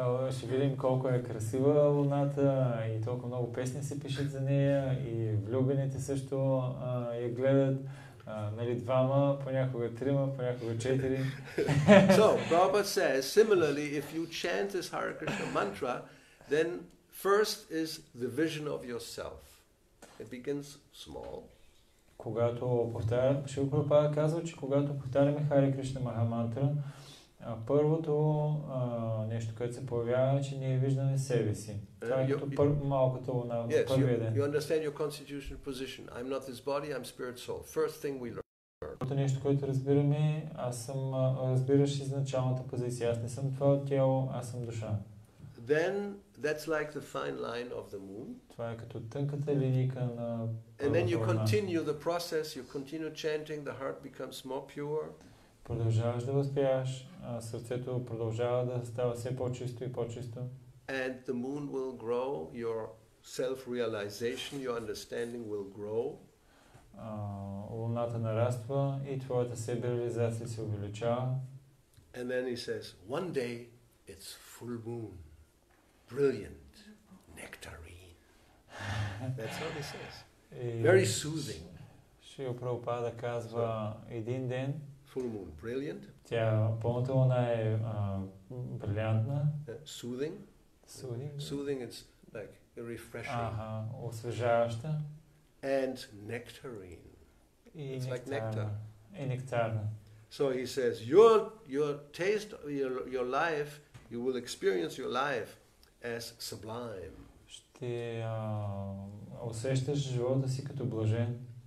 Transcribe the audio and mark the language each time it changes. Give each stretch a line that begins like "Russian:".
Bulgarian: Ще видим колко е красива луната и толкова много песни се пишат за нея и влюбените също я гледат, нали двама, понякога трима, понякога четири.
English: So, Prabhupada says, similarly, if you chant this Hare Krishna mantra, then first is the vision of yourself. It begins small.
Bulgarian: Когато повтаряме, Шрила Прабхупада казва, че когато повтаряме Hare Krishna Mahamantra, първото нещо, което се появява, е, че ние виждаме себе си. Това е като малкото луна в първия ден.
English: You understand your constitutional position. I'm not this body, I'm spirit soul. First thing we learn.
Bulgarian: Първото нещо, което разбираме, аз съм разбираш изначалната позиция. Аз не съм това тяло, аз съм душа.
English: Then that's like the fine line of the moon.
Bulgarian: Това е като тънката линия на луната.
English: And then you continue the process, you continue chanting, the heart becomes more pure.
Bulgarian: Продължаваш да възпяваш, сърцето продължава да става все по-чисто и по-чисто.
English: And the moon will grow, your self-realization, your understanding will grow.
Bulgarian: Луната нараства и твоята себе-реализация се увеличава.
English: And then he says, one day it's full moon, brilliant, nectarine. That's what he says. Very soothing.
Bulgarian: Шрила Прабхупада казва, един ден
English: full moon, brilliant.
Bulgarian: Тя полнота луна е брилянтна.
English: Soothing. Soothing. Soothing, it's like a refreshing.
Bulgarian: Ага, освежаваща.
English: And nectarine. It's like nectar.
Bulgarian: И нектарна.
English: So he says, your taste, your life, you will experience your life as sublime.
Bulgarian: Ще усещаш живота си като блажен.